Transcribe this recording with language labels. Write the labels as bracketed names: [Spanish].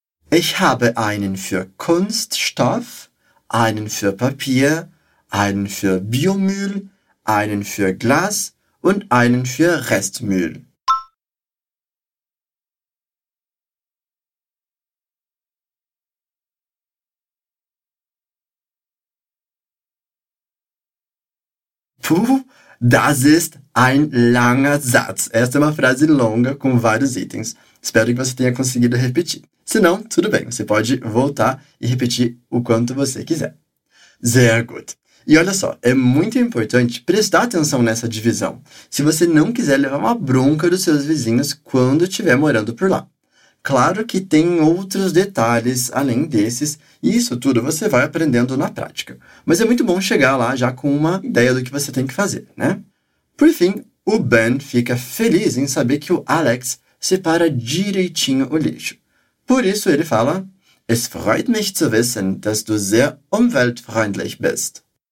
[German] Ich habe einen für Kunststoff, einen für Papier, einen für Biomüll, einen für Glas und einen für Restmüll. Puh, das ist ein langer Satz. [Portuguese] Esta é uma frase longa com vários itens. Espero que você tenha conseguido repetir. Se não, tudo bem, você pode voltar e repetir o quanto você quiser. [German] Sehr gut. [Portuguese] E olha só, é muito importante prestar atenção nessa divisão, se você não quiser levar uma bronca dos seus vizinhos quando estiver morando por lá. Claro que tem outros detalhes além desses, e isso tudo você vai aprendendo na prática. Mas é muito bom chegar lá já com uma ideia do que você tem que fazer, né? Por fim, o Ben fica feliz em saber que o Alex separa direitinho o lixo. Por isso ele fala: [German] Es freut mich zu wissen, dass du sehr umweltfreundlich bist.